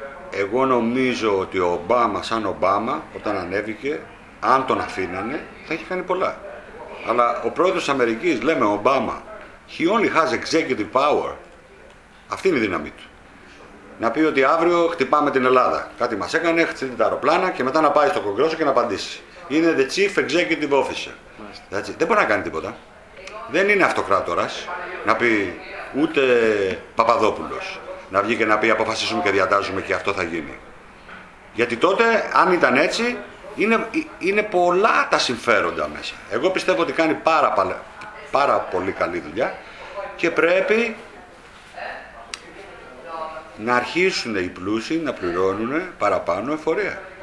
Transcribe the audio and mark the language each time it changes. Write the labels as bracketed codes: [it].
[el] Εγώ νομίζω ότι ο Ομπάμα, σαν Ομπάμα, όταν ανέβηκε, αν τον αφήνανε, θα είχε κάνει πολλά. Αλλά ο πρόεδρος της Αμερικής, λέμε Ομπάμα, [en] he only has executive power. [el] Αυτή είναι η δύναμή του. Να πει ότι αύριο χτυπάμε την Ελλάδα. Κάτι μας έκανε, χτυπήσε τα αεροπλάνα και μετά να πάει στο Κογκρέσο και να απαντήσει. είναι [en] the chief executive officer. [el] Έτσι. Δεν μπορεί να κάνει τίποτα. Δεν είναι αυτοκράτορας να πει ούτε Παπαδόπουλος να βγει και να πει αποφασίσουμε και διατάζουμε και αυτό θα γίνει. Γιατί τότε, αν ήταν έτσι, είναι πολλά τα συμφέροντα μέσα. Εγώ πιστεύω ότι κάνει πάρα πολύ καλή δουλειά και πρέπει να αρχίσουν οι πλούσιοι να πληρώνουν παραπάνω εφορία.